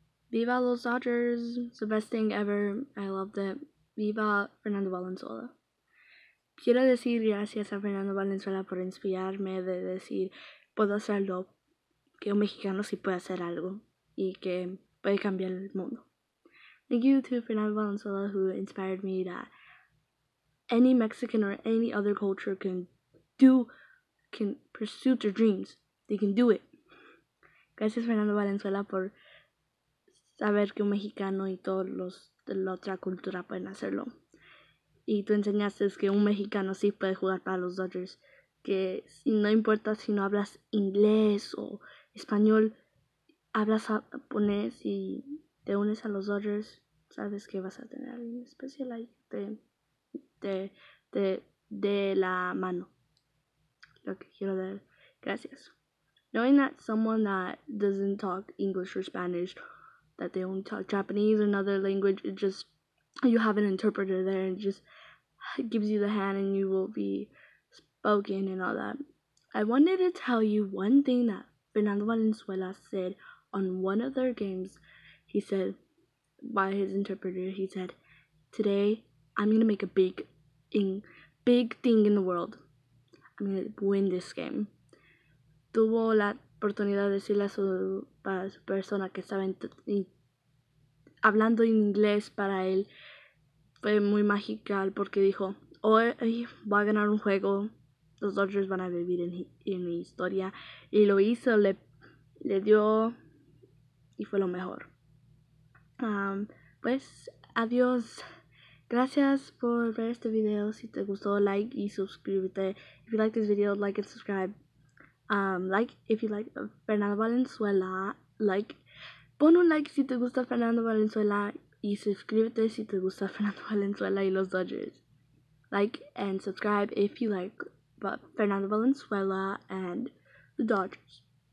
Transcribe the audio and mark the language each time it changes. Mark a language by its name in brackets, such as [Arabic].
[Spanish] Viva los Dodgers, [English] it's the best thing ever, I loved it. [Spanish] Viva Fernando Valenzuela. Quiero decir gracias a Fernando Valenzuela por inspirarme de decir, puedo hacerlo, que un mexicano sí puede hacer algo y que puede cambiar el mundo. [English] Thank you to Fernando Valenzuela who inspired me that any Mexican or any other culture can pursue their dreams. They can do it. [Spanish] Gracias Fernando Valenzuela por saber que un mexicano y todos los de la otra cultura pueden hacerlo. y tú enseñaste que un mexicano sí puede jugar para los Dodgers, que no importa si no hablas inglés o español, hablas japonés y te unes a los Dodgers, sabes que vas a tener a alguien especial ahí, de la mano. Lo que quiero dar, gracias. [English] Knowing that someone that doesn't talk English or Spanish, that they only talk Japanese or another language, it just, you have an interpreter there and just gives you the hand and you will be spoken and all that. I wanted to tell you one thing that Fernando Valenzuela said on one of their games. He said, by his interpreter, he said, "Today, I'm going to make a big thing in the world. I'm going to win this game." [Spanish] Tuvo la oportunidad de decirle a su, para su persona que estaba hablando en inglés para él. Fue muy magical porque dijo, hoy va a ganar un juego. Los Dodgers van a vivir en mi historia. Y lo hizo, le dio y fue lo mejor. Pues, adiós. Gracias por ver este video. Si te gustó, like y suscríbete. [English] If you like this video, like and subscribe. Like if you like Fernando Valenzuela. Like, [Spanish] pon un like si te gusta Fernando Valenzuela. Y suscríbete si te gusta Fernando Valenzuela y los Dodgers. [English] Like and subscribe if you like Fernando Valenzuela and the Dodgers.